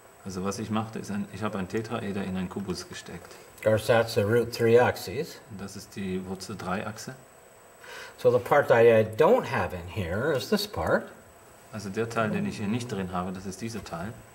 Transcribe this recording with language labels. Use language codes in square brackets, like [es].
[de] Also was ich machte ist ein, ich habe ein Tetraeder in einen Kubus gesteckt. [en] Because that's the root three axes. [de] Das ist die Wurzel drei Achse. [en] So the part that I don't have in here is this part. [de] Also der Teil, den ich hier nicht drin habe, das ist dieser Teil.